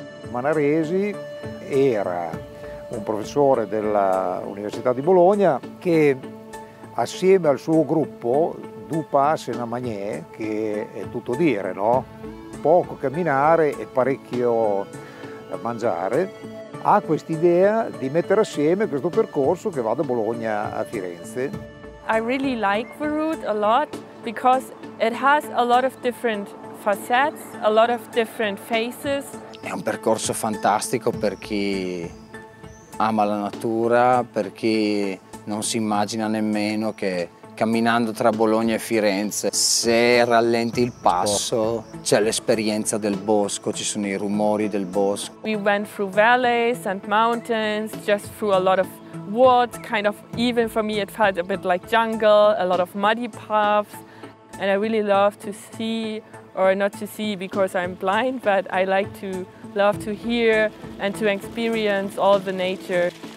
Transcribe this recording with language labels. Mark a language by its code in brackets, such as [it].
[it] Manaresi era un professore dell'Università di Bologna che assieme al suo gruppo Dupas e Namagné, che è tutto dire, no? Poco camminare e parecchio mangiare, ha quest'idea di mettere assieme questo percorso che va da Bologna a Firenze. [en] I really like the route a lot because it has a lot of different facets, a lot of different faces. [it] È un percorso fantastico per chi ama la natura, per chi non si immagina nemmeno che camminando tra Bologna e Firenze, se rallenti il passo, c'è l'esperienza del bosco, ci sono i rumori del bosco. [en] We went through valleys and mountains, just through a lot of wood, kind of even for me it felt a bit like jungle, a lot of muddy paths, and I really love to see, or not to see because I'm blind, but I like to love to hear and to experience all the nature.